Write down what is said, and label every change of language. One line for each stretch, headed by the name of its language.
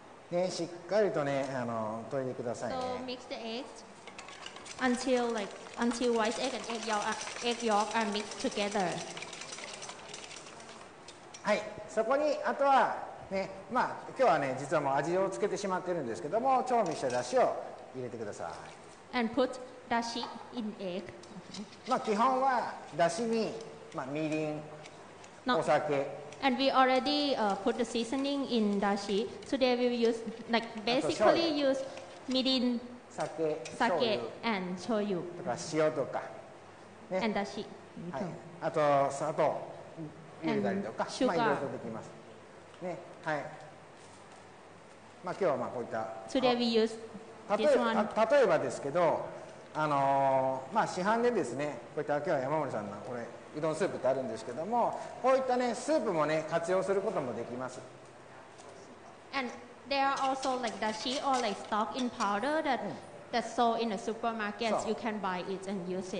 Japanese: ね、しっかりとね、溶いてくださいね。
English: So mix the eggs until white egg and egg yolk are mixed together.
Japanese: はい、そこにあとはね、まあ今日はね、実はもう味をつけてしまってるんですけども、調味しただしを入れてください。
English: And put だし in egg.
Japanese: まあ基本はだしに、まあ、みりん、お酒。
English: No. And we already put the seasoning in dashi. Today we will use, like, basically use mirin, sake, and shoyu.
Japanese: とか塩とか、
English: ね、and dashi.
Japanese: はい。あと砂糖入れたりとか、
English: sugar.
Japanese: まあいろいろできます。ね、はい。まあ今日はまあこういった。
English: Today we use this one.
Japanese: 例えばですけど、まあ市販でですね、こういった今日は山森さんのこれ。うどんスープってあるんですけども、こういったね、スープもね、活用することもできます。
English: And there are also like dashi or like stock in powder that's sold in the supermarkets. You can buy it and use it.